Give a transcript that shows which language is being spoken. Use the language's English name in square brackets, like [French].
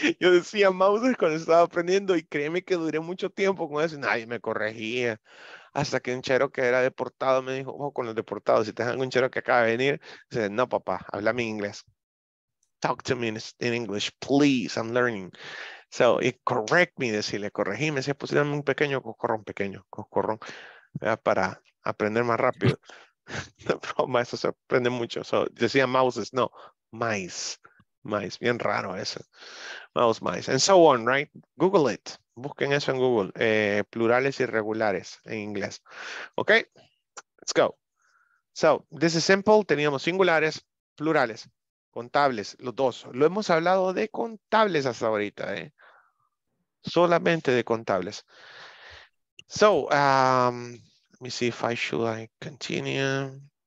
[Spanish] Yo decía mouses cuando estaba aprendiendo y créeme que duré mucho tiempo con eso. Nadie me corregía. Hasta que un chero que era deportado me dijo, ojo con los deportados, si te dejan un chero que acaba de venir, dice, no papá, háblame inglés. [English] Talk to me in English, please, I'm learning. [Spanish] So, [English] it correct me, [Spanish] decirle, corregime, si es posible, un pequeño, coscorrón, ¿verdad? Para aprender más rápido. No, broma, eso se aprende mucho. So, decía mouses, no, mice, mice, bien raro eso. [English] Mouse, mice, and so on, right? Google it, [Spanish] busquen eso en Google, plurales irregulares en inglés. [English] Okay, let's go. So, this is simple, [Spanish] teníamos singulares, plurales. Contables, los dos. Lo hemos hablado de contables hasta ahorita, Solamente de contables. [English] So, let me see if I should I continue.